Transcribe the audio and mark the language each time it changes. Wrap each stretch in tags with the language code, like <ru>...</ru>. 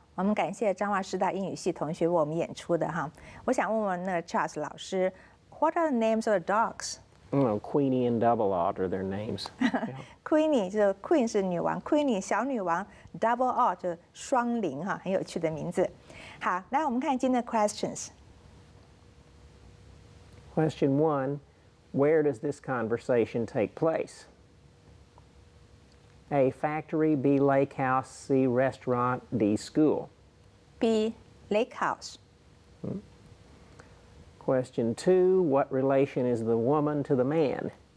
<zh>我们感谢彰化师大英语系同学为我们演出的哈。我想问问那个 Charles 老师</zh> <en>，What are the names of the dogs？ Queenie and Double Odd are their names.</en> <zh>Queenie 就是 Queen 是女王 ，Queenie 小女王 ，Double Odd 就是双灵哈，很有趣的名字。好，来我们看今天的 questions。</zh> <en>Question one: Where does this conversation take place？ A, factory, B, lake house, C, restaurant, D, school. B, lake house. Question two, what relation is the woman to the man?</en>